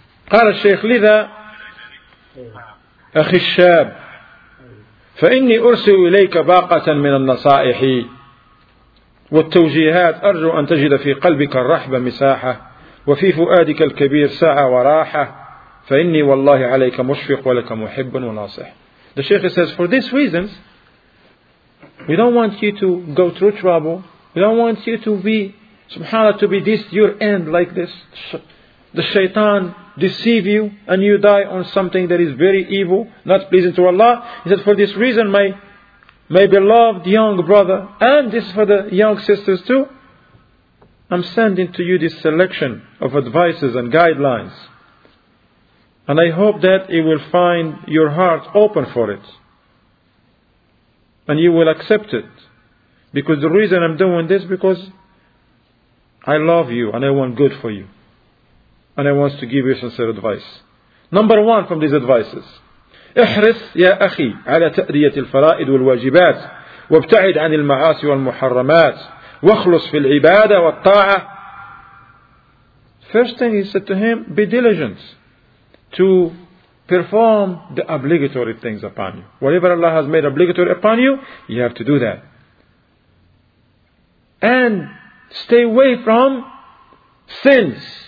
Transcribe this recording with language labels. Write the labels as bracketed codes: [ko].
[ar] قال الشيخ لذا أخي الشاب فإني أرسل إليك باقة من النصائح والتوجيهات أرجو أن تجد في قلبك الرحب مساحة وفي فؤادك الكبير سعة وراحة فإني والله عليك مشفق ولك محب وناصح. [en] The Sheikh says, for these reasons, we don't want you to go through trouble. We don't want you to be, subhanAllah, to be this your end like this. The shaitan deceive you and you die on something that is very evil, not pleasing to Allah. He said, for this reason, my beloved young brother, and this is for the young sisters too, I'm sending to you this selection of advices and guidelines. And I hope that it will find your heart open for it. And you will accept it. Because the reason I'm doing this, because I love you and I want good for you. And I want to give you sincere advice. Number one from these advices. [ar] احرص يا أخي على تأدية الفرائض والواجبات وابتعد عن المعاصي والمحرمات واخلص في العبادة والطاعة. [en] First thing he said to him, be diligent to perform the obligatory things upon you. Whatever Allah has made obligatory upon you, you have to do that. And stay away from sins.